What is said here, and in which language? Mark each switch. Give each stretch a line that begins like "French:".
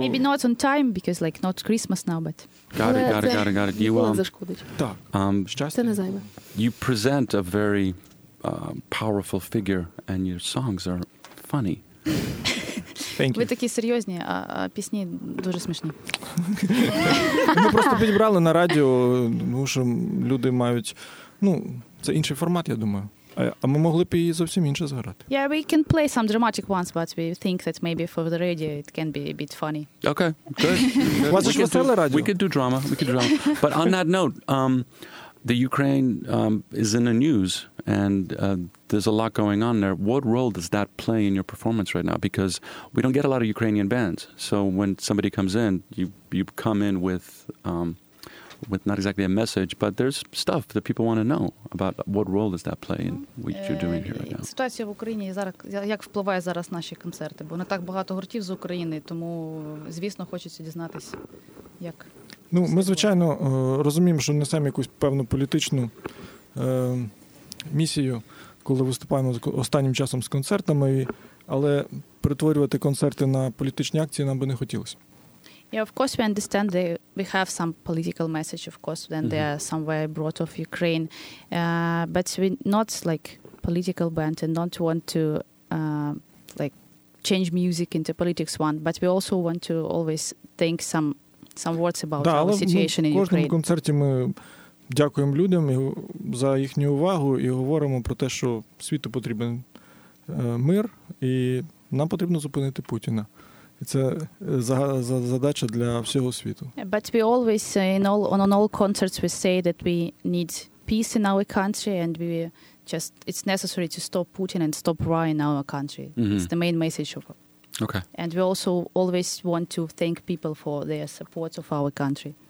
English: Maybe not on time, because, like, not Christmas now, but... Got it.
Ukrainian: Ніколи зашкодить. Так, щастя. Це не зайве.
English: You present a very powerful figure, and your songs are funny. Thank you.
Ukrainian: Ви такі серйозні, а пісні дуже смішні. Ми просто підібрали на радіо, тому що люди мають... Ну, це інший формат, я думаю. А ми могли б її зовсім інше зграти.
English: Yeah, we can play some dramatic ones, but we think that maybe for the radio it can be a bit funny. Okay, good.
Ukrainian: У вас ж веселе радіо.
English: We could do drama, But on that note, the Ukraine is in the news, and... there's a lot going on there. What role does that play in your performance right now? Because we don't get a lot of Ukrainian bands. So when somebody comes in, you come in with not exactly a message, but there's stuff that people want to know about. What role does that play in what you're doing here right now?
Ukrainian: Ситуація в Україні зараз, як впливає зараз наші концерти? Бо не так багато гуртів з України, тому, звісно, хочеться дізнатись, як... Ну, ми, звичайно, розуміємо, що несемо якусь певну політичну місію, коли виступаємо останнім часом з концертами, але перетворювати концерти на політичні акції нам би не хотілося.
English: Yeah, of course we understand that we have some political message, of course, when mm-hmm. they are somewhere brought off Ukraine. But we not like political band and not want to like change music into politics one, but we also want to always think some words about
Ukrainian: да,
English: our situation in Ukraine.
Ukrainian: Кожному концерті ми дякуємо людям за їхню увагу і говоримо про те, що світу потрібен мир, і нам потрібно зупинити Путіна. Це задача для всього світу.
English: But we always on all concerts we say that we need peace in our country and we just it's necessary to stop Putin and stop war in our country. Mm-hmm. It's the main message of. Okay. And we also always want to thank people for their support of our country.